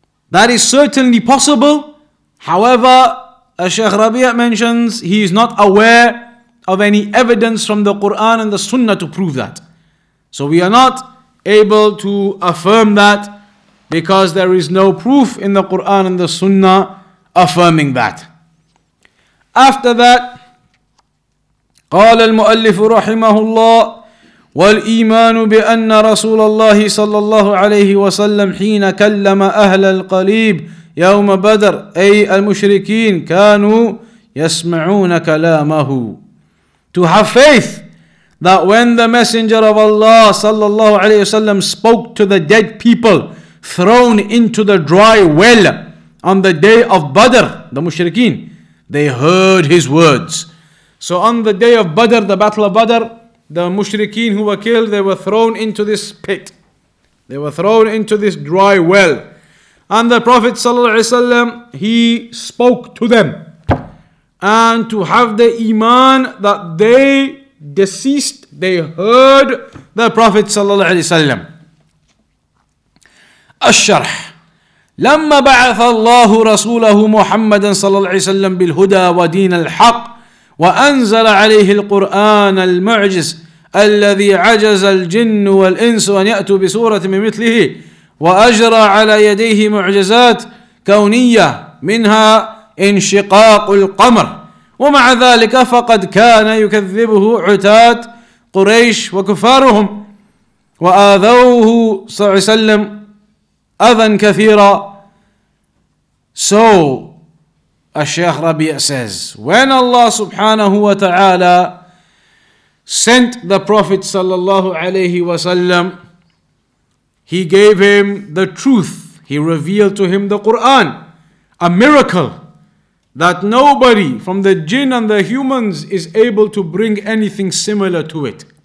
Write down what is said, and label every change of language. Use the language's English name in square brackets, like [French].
[English] That is certainly possible. However, as Shaykh Rabi'ah mentions, he is not aware of any evidence from the Quran and the Sunnah to prove that. So we are not able to affirm that because there is no proof in the Quran and the Sunnah affirming that. After that, [Arabic] قال المؤلف رحمه الله والإيمان بأن رسول الله صلى الله عليه وسلم حين كلم أهل القليب يوم بدر أي المشركين كانوا يسمعون كلامه. [English] To have faith that when the messenger of Allah صلى الله عليه وسلم spoke to the dead people thrown into the dry well on the day of Badr, the mushrikeen, they heard his words. So on the day of Badr, the battle of Badr, the mushrikeen who were killed, they were thrown into this pit. They were thrown into this dry well. And the Prophet ﷺ, he spoke to them. And to have the iman that they deceased, they heard the Prophet ﷺ. As-Sharh. [Arabic] لما بعث الله رسوله محمدا صلى الله عليه وسلم بالهدى ودين الحق وأنزل عليه القرآن المعجز الذي عجز الجن والإنس أن يأتوا بسورة من مثله وأجرى على يديه معجزات كونية منها انشقاق القمر ومع ذلك فقد كان يكذبه عتاة قريش وكفارهم وآذوه صلى الله عليه وسلم أذى كثيرا. [English] So, Ash-Shaykh Rabi'ah says, when Allah subhanahu wa ta'ala sent the Prophet sallallahu alayhi wa sallam, he gave him the truth. He revealed to him the Quran, a miracle that nobody from the jinn and the humans is able to bring anything similar to it.